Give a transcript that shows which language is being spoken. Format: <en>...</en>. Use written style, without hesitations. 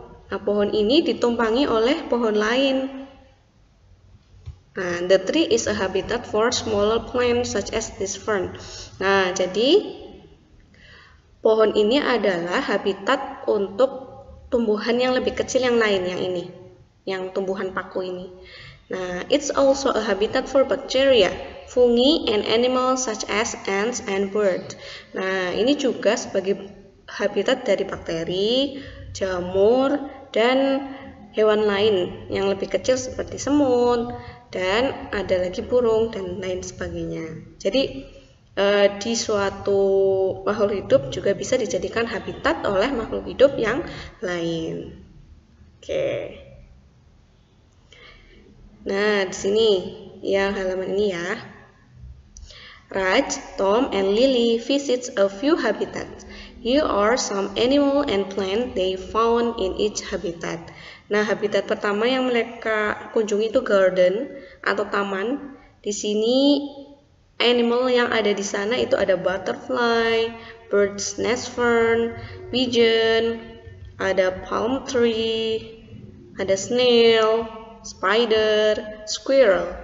<id>Nah, pohon ini ditumpangi oleh pohon lain.</id> <en>Nah, the tree is a habitat for smaller plants such as this fern.</en> <id>Nah, jadi pohon ini adalah habitat untuk tumbuhan yang lebih kecil yang lain, yang ini, yang tumbuhan paku ini.</id> <en>Nah, it's also a habitat for bacteria, fungi, and animals such as ants and birds. Nah, ini juga sebagai</en> <id>habitat dari bakteri, jamur, dan hewan lain yang lebih kecil seperti semut, dan ada lagi burung dan lain sebagainya. Jadi di suatu makhluk hidup juga bisa dijadikan habitat oleh makhluk hidup yang lain. Oke. Nah, di sini yang halaman ini ya.</id> <en>Raj, Tom, and Lily visits a few habitats. Here are some animal and plant they found in each habitat.</en> <id>Nah, habitat pertama yang mereka kunjungi itu garden atau taman. Di sini animal yang ada di sana itu ada butterfly, bird's nest fern, pigeon, ada palm tree, ada snail, spider, squirrel.</id>